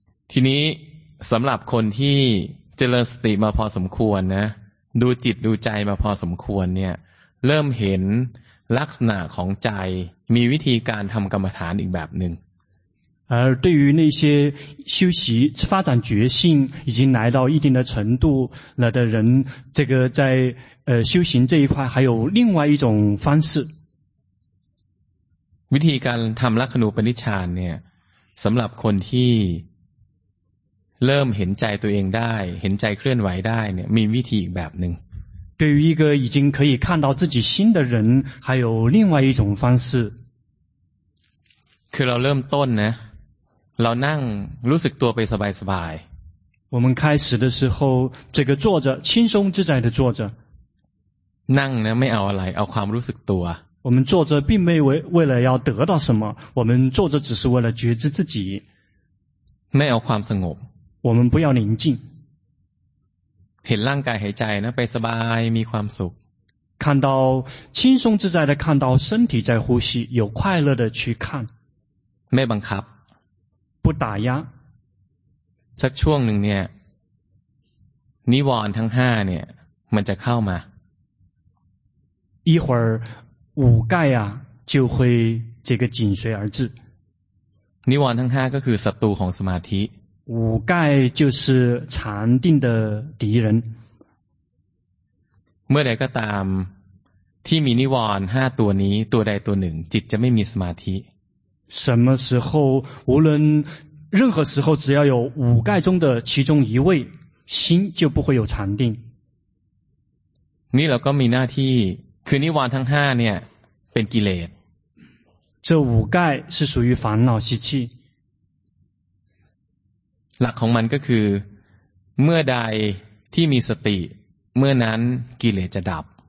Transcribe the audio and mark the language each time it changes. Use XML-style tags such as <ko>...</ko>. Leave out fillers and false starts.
<th>ทีนี้สำหรับคนที่เจริญสติมาพอสมควรนะดูจิตดูใจมาพอสมควรเนี่ยเริ่มเห็นลักษณะของใจมีวิธีการทำกรรมฐานอีกแบบหนึ่ง</th> <zh>而对于那些修习发展觉性已经来到一定的程度了的人这个在修行这一块还有另外一种方式</zh> <th>วิธีการทำลักขณูปนิชฌานเนี่ยสำหรับคนที่เริ่มเห็นใจตัวเองได้เห็นใจเคลื่อนไหวได้เนี่ยมีวิธีอีกแบบหนึ่ง</th> <zh>对于一个已经可以看到自己心的人还有另外一种方式</zh> <th>คือเราเริ่มต้นนะเรานั่งรู้สึกตัวไปสบาย</th> <zh>ๆ我们开始的时候这个坐着轻松自在的坐着</zh> <th>นั่งนะไม่เอาอะไรเอาความรู้สึกตัว</th> <zh>我们坐着并没为了要得到什么我们坐着只是为了觉知自己</zh> <th>ไม่เอาความสงบ</th> <zh>我们不要宁静</zh> <th>เห็นร่างกายหายใจนะไปสบายมีความสุข</th> <zh>看到轻松自在的看到身体在呼吸有快乐的去看</zh> <th>ไม่บังคับ</th> <zh>不打压</zh> <th>สักช่วงหนึ่งเนี่ยนิวรณ์ทั้งห้าเนี่ยมันจะเข้ามา</th> <zh>一会儿五盖啊就会这个紧随而至</zh> <th>นิวรณ์ทั้งห้าก็คือศัตรูของสมาธิ</th> <zh>五盖就是禅定的敌人</zh> <th>เมื่อใดก็ตามที่มีนิวรณ์ห้าตัวนี้ตัวใดตัวหนึ่งจิตจะไม่มีสมาธิ</th> <zh>什么时候无论任何时候只要有五盖中的其中一位心就不会有禅定</zh> <th>นี่เราก็มีหน้าที่คือนิวรณ์ทั้งห้าเนี่ยเป็นกิเลส</th> <zh>这五盖是属于烦恼习气</zh> <th>หลักของมันก็คือเมื่อใดที่มีสติเมื่อนั้นกิเลสจะดับ</th>